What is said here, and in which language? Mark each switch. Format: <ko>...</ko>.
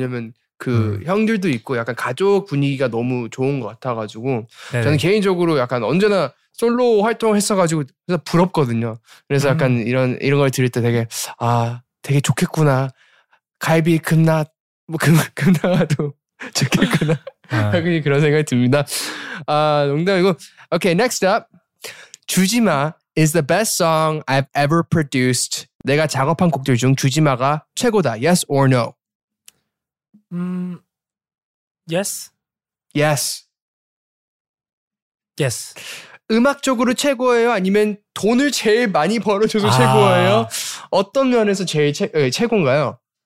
<ko>왜냐면 그 형들도 있고 약간 가족 분위기가 너무 좋은 것 같아가지고 네네. 저는 개인적으로 약간 언제나 솔로 활동을 했어가지고 그래서 부럽거든요. 그래서 약간 이런 걸 들을 때 되게 아 되게 좋겠구나. 갈비 금나 뭐 금 나가도 좋겠구나. 당연히 아. 그런 생각이 듭니다. 아 농담이고.</ko> <en>Okay, next up. 주지마 is the best song I've ever produced.</en> <ko>내가 작업한 곡들 중 주지마가 최고다.</ko> <en>Yes or no? Yes. Yes. Yes.</en> <ko>음악적으로 최고예요? 아니면 돈을 제일 많이 벌어줘서 아. 최고예요? 어떤 면에서 제일 최고인가요?</ko>